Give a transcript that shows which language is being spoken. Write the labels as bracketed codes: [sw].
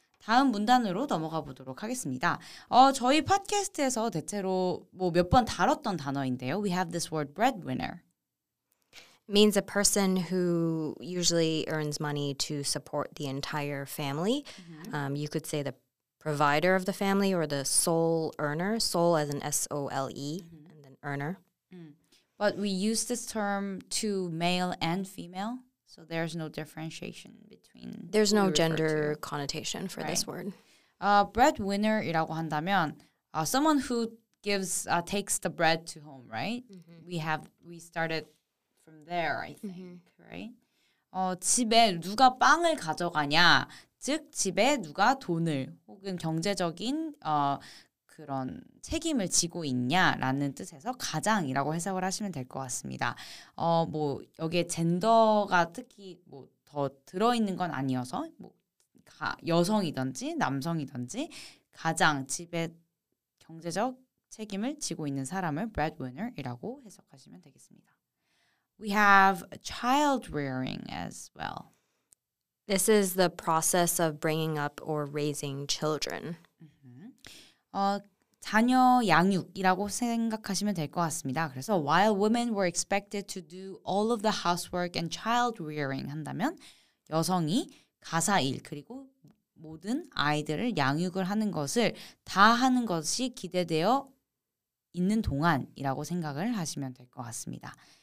[ko] 다음 문단으로 넘어가 보도록 하겠습니다. 저희 팟캐스트에서 대체로 뭐 몇 번 다뤘던 단어인데요. [en] We have this word breadwinner. Means a person who usually earns money to support the entire family. You could say the provider of the family or the sole earner. Sole as in S-O-L-E and then earner. But we use this term to male and female. So there's no differentiation between... There's no gender connotation for this word. [ko] Breadwinner이라고 한다면 [en] someone who gives takes the bread to home, right? We started from there, I think, right? [ko] 집에 누가 빵을 가져가냐, 즉 집에 누가 돈을 혹은 경제적인 그런 책임을 지고 있냐라는 뜻에서 가장이라고 해석을 하시면 될 것 같습니다. 뭐 여기에 젠더가 특히 뭐 더 들어 있는 건 아니어서 뭐 여성이든지 남성이든지 가장 집에 경제적 책임을 지고 있는 사람을 breadwinner이라고 해석하시면 되겠습니다. [en] We have child rearing as well. This is the process of bringing up or raising children. [ko] 자녀 양육이라고 생각하시면 될 것 같습니다. 그래서 [en] while women were expected to do all of the housework and child rearing [ko] 한다면 여성이 가사일 그리고 모든 아이들을 양육을 하는 것을 다 하는 것이 기대되어 있는 동안이라고 생각을 하시면 될 것 같습니다.